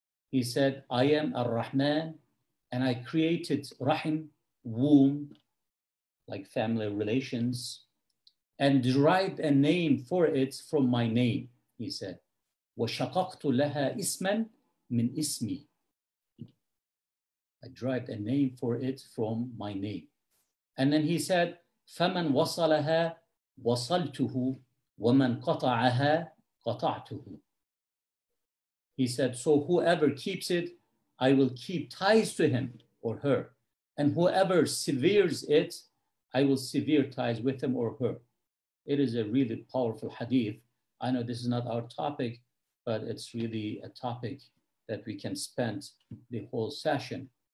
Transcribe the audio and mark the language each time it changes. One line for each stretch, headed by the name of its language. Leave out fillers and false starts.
English: He said, I am ar-Rahman and I created Rahim, womb, like family relations, and derived a name for it from my name, he said.
Arabic: وَشَقَقْتُ لَهَا إِسْمًا مِنْ إِسْمِي.
English: I derived a name for it from my name. And then he said,
Arabic: فَمَنْ وَصَلَهَا وَصَلْتُهُ وَمَنْ قَطَعَهَا قَطَعْتُهُ.
English: He said, so whoever keeps it, I will keep ties to him or her. And whoever severs it, I will sever ties with him or her. It is a really powerful hadith. I know this is not our topic, but it's really a topic that we can spend the whole session.